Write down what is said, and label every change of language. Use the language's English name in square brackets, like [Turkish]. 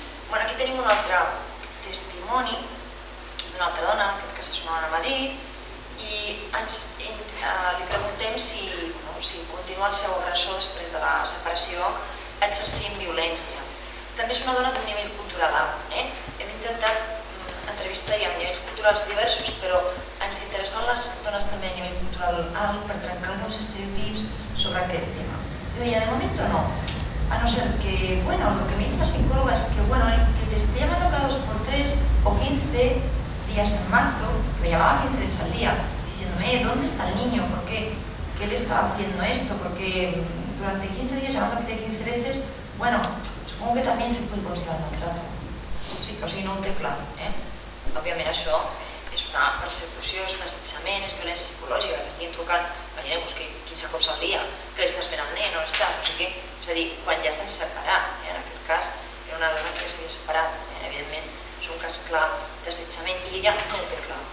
[Catalan] Bueno, aquí tenim un altre testimoni d'una altra dona, en aquest cas és una dona a Madrid, i li preguntem si, no, si continua el seu agressor després de la separació exercint violència. També és una dona d'un nivell cultural alt. Hem intentat entrevistar-hi amb nivells culturals diversos, però ens interessen les dones també a nivell cultural alt per trencar alguns estereotips sobre aquest tema. Jo deia, de moment no. [Spanish] A no ser que, bueno, lo que me dice la psicóloga es que, bueno, que te esté llamando cada 2x3 o 15 días en marzo, que me llamaba 15 días al día, diciéndome, ¿dónde está el niño? ¿Por qué? ¿Qué le estaba haciendo esto? Porque durante 15 días, llamándome 15 veces, bueno, supongo que también se puede considerar maltrato. [Catalan] Sí, o sigui, no ho té clar. Òbviament això és una persecució, és un assetjament, és violència psicològica, que estiguin trucant, imagineu, busqui 15 cops al dia, que li estàs fent al nen, on està, o sigui, és a dir, quan ja s'han separat, en aquest cas, era una dona que s'havia separat, evidentment, és un cas clar d'assetjament, i ella no ho té clar.